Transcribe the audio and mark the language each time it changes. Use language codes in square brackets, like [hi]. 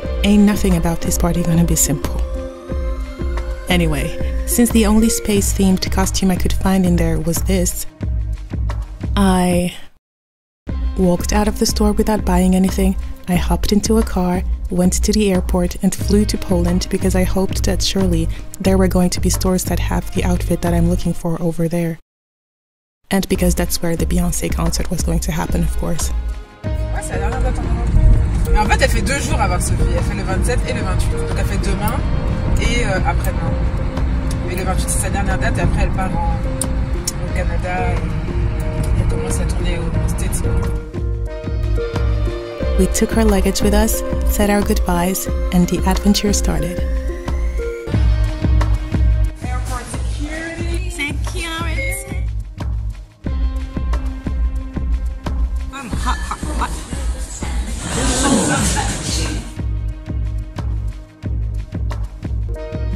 [en] Ain't nothing about this party gonna be simple. Anyway, since the only space themed costume I could find in there was this, I walked out of the store without buying anything. I hopped into a car, went to the airport, and flew to Poland because I hoped that surely there were going to be stores that have the outfit that I'm looking for over there. And because that's where the Beyoncé concert was going to happen, of course. [fr] Ouais, ça a l'air d'avoir ton nom. Mais en fait, elle fait deux jours à Varsovie. Elle fait le 27 et le 28. Donc elle fait demain et après-demain. Mais le 28, c'est sa dernière date et après, elle part au Canada et elle commence à tourner au States. [en] We took our luggage with us, said our goodbyes, and the adventure started. Airport security. Security.